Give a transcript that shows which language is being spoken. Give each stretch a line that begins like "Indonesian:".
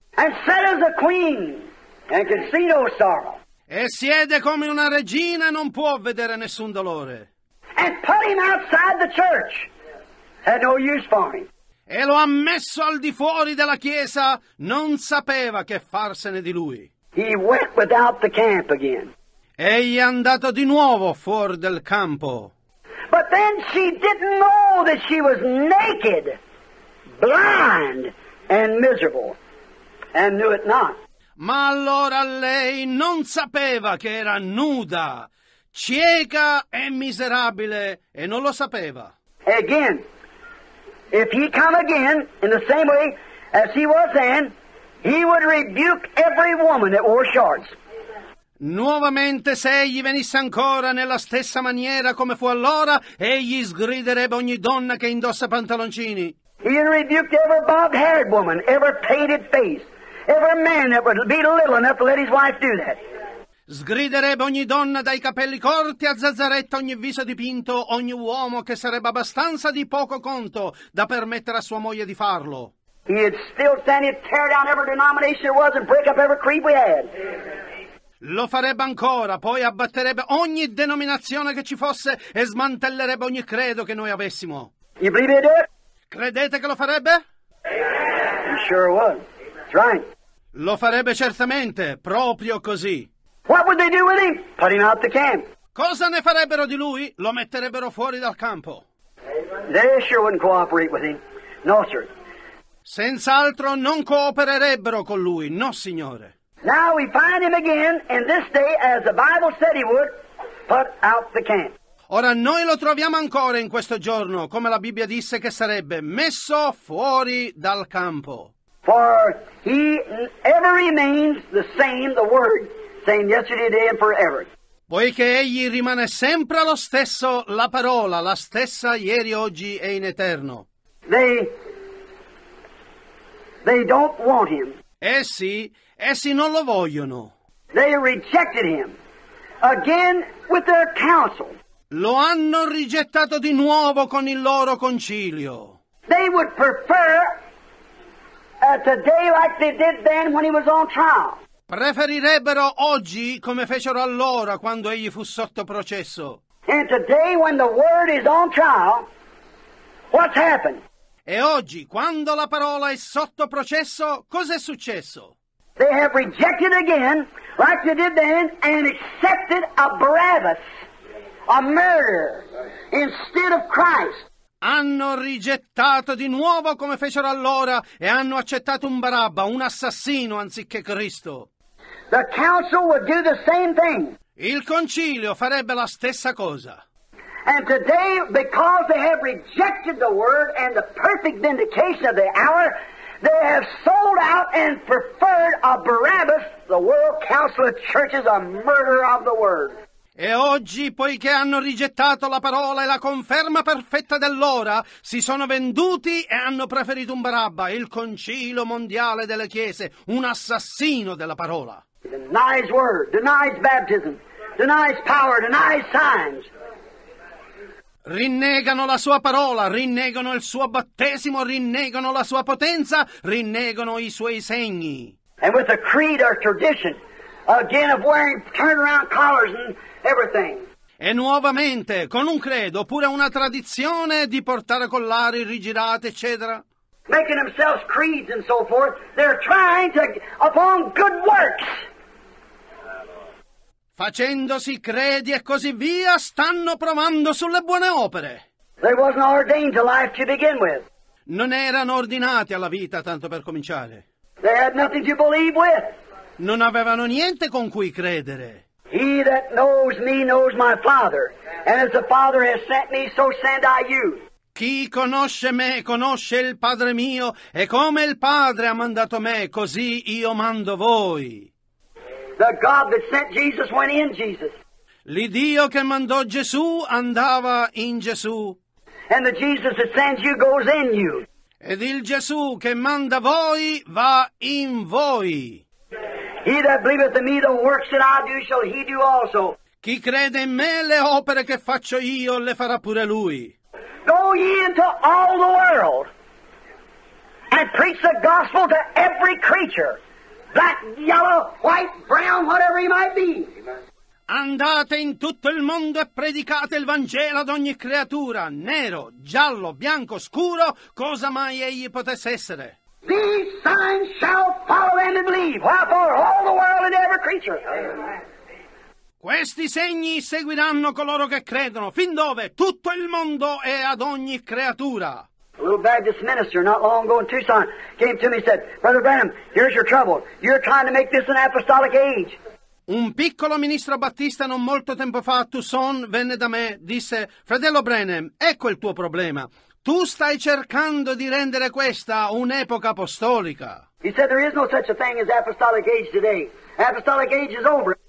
English: And sat as a queen and can see no sorrow.
Italian: E siede come una regina e non può vedere nessun dolore.
English: And put him outside the church. Had no use for him.
Italian: E lo ha messo al di fuori della chiesa, non sapeva che farsene di lui.
English: He went without the camp again.
Italian: Egli è andato di nuovo fuori del campo.
English: But then she didn't know that she was naked, blind and miserable, and knew it not.
Italian: Ma allora lei non sapeva che era nuda, cieca e miserabile, e non lo sapeva.
English: Again, if he come again in the same way as he was then, he would rebuke every woman that wore shorts.
Italian: Nuovamente, se egli venisse ancora nella stessa maniera come fu allora, egli sgriderebbe ogni donna che indossa pantaloncini.
English: He rebuked every bob-haired woman, every painted face, every man that would be little enough to let his wife do that.
Italian: Sgriderebbe ogni donna dai capelli corti a zazzaretta, ogni viso dipinto, ogni uomo che sarebbe abbastanza di poco conto da permettere a sua moglie di farlo.
English: He had still stand and tear down every denomination there was and break up every creed we had.
Italian: Lo farebbe ancora, poi abbatterebbe ogni denominazione che ci fosse e smantellerebbe ogni credo che noi avessimo.
English: You believe he'd do it?
Italian: Credete che lo farebbe?
English: He sure would. That's right.
Italian: Lo farebbe certamente, proprio così.
English: What would they do with him? Put him out the camp.
Italian: Cosa ne farebbero di lui? Lo metterebbero fuori dal campo.
English: They sure wouldn't cooperate with him. No, sir.
Italian: Senz'altro non coopererebbero con lui, no, signore.
English: Now we find him again, and this day, as the Bible said he would, put out the camp.
Italian: Ora noi lo troviamo ancora in questo giorno, come la Bibbia disse che sarebbe messo fuori dal campo.
English: For he ever remains the same, the word, same yesterday, today, and forever.
Italian: Poiché egli rimane sempre lo stesso, la parola, la stessa ieri, oggi e in eterno.
English: They don't want him.
Italian: Essi... Essi non lo vogliono.
English: They rejected him again with their counsel.
Italian: Lo hanno rigettato di nuovo con il loro concilio.
English: They would prefer a today like they did then when he was on trial.
Italian: Preferirebbero oggi come fecero allora quando egli fu sotto processo.
English: And today when the word is on trial, what's happened?
Italian: E oggi quando la parola è sotto processo, cos'è successo?
English: They have rejected again, like they did then, and accepted a Barabbas, a murderer, instead of Christ.
Italian: hanno rigettato di nuovo come fecero allora e hanno accettato un Barabba, un assassino anziché Cristo.
English: The council would do the same thing.
Italian: Il concilio farebbe la stessa cosa.
English: And today, because they have rejected the word and the perfect vindication of the hour, they have sold out and preferred a Barabbas, the world council of churches, a murderer of the word.
Italian: E oggi, poiché hanno rigettato la parola e la conferma perfetta dell'ora, si sono venduti e hanno preferito un Barabba, il concilio mondiale delle chiese, un assassino della parola.
English: Denies word, denies baptism, denies power, denies signs.
Italian: Rinnegano la sua parola, rinnegano il suo battesimo, rinnegano la sua potenza, rinnegano i suoi segni.
English: And with a creed or tradition, again of wearing turnaround collars and everything.
Italian: E nuovamente, con un credo, oppure una tradizione di portare collari rigirati, eccetera.
English: Making themselves creeds and so forth, they're trying to, upon good works.
Italian: Facendosi credi e così via, stanno provando sulle buone opere.
English: They wasn't ordained to life to begin with.
Italian: Non erano ordinati alla vita, tanto per cominciare.
English: They had nothing to believe with.
Italian: Non avevano niente con cui credere.
English: He that knows me knows my Father, and as the Father has sent me, so send I you.
Italian: Chi conosce me conosce il Padre mio, e come il Padre ha mandato me, così io mando voi.
English: The God that sent Jesus went in Jesus.
Italian: L'Iddio che mandò Gesù andava in Gesù.
English: And the Jesus that sends you goes in you.
Italian: Ed il Gesù che manda voi va in voi.
English: He that believeth in me, the works that I do shall he do also.
Italian: Chi crede in me, le opere che faccio io le farà pure lui.
English: Go ye into all the world and preach the gospel to every creature. Black, yellow, white, brown, whatever he might be.
Italian: Andate in tutto il mondo e predicate il Vangelo ad ogni creatura, nero, giallo, bianco, scuro, cosa mai egli potesse essere.
English: These signs shall follow them that believe, wherefore all the world and every creature.
Italian: Questi segni seguiranno coloro che credono, fin dove? Tutto il mondo e ad ogni creatura.
English: A little Baptist minister not long ago in Tucson came to me and said, Brother Branham, here's your trouble. You're trying to make this an apostolic age.
Italian: Un piccolo ministro battista non molto tempo fa a Tucson venne da me, disse, Fratello Branham, ecco il tuo problema. Tu stai cercando di rendere questa un'epoca apostolica.
English: He said, there is no such a thing as apostolic age today. Apostolic age is over.